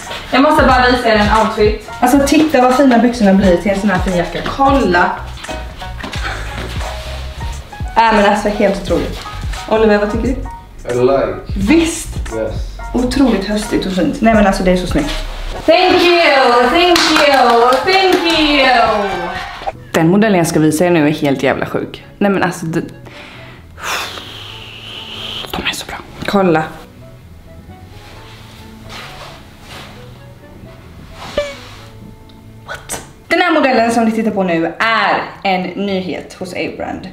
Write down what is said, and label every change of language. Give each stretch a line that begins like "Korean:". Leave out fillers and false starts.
Swedish: Jag måste bara visa er en outfit. Alltså titta vad fina byxorna blir till en sån här fin jacka. Kolla. Men alltså helt otroligt. Oliver, vad tycker du?
English: I like.
Swedish: Visst?
English: Yes.
Swedish: Otroligt höstigt och fint. Nej men alltså det är så snyggt.
English: Thank you, thank you, thank you.
Swedish: Den modellen jag ska visa er nu är helt jävla sjuk. Nej men alltså de är så bra. Kolla. Den här modellen som ni tittar på nu är en nyhet hos A-brand.